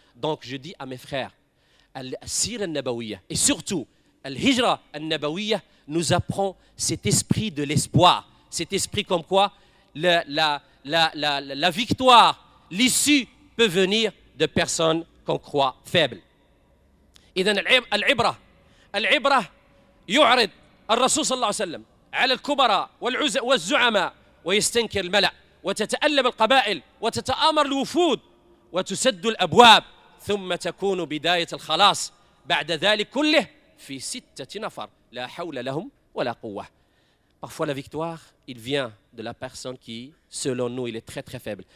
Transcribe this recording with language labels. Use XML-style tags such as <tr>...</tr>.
<fr>Donc je dis à mes frères, al-sira al-nabawiyya, et surtout al-hijra al-nabawiyya, nous apprend cet esprit de l'espoir, cet esprit comme quoi la victoire, l'issue peut venir de personnes qu'on croit faibles.</fr> <ar>إذن العبرة العبرة يعرض الرسول صلى الله عليه وسلم على الكبراء والزعماء ويستنكر الملأ وتتألم القبائل وتتآمر الوفود وتسد الأبواب ثم تكون بداية الخلاص بعد ذلك كله في ستة نفر لا حول لهم ولا قوة.</ar> <fr>Parfois la victoire, il vient de la personne qui, selon nous, il est très très faible.</fr>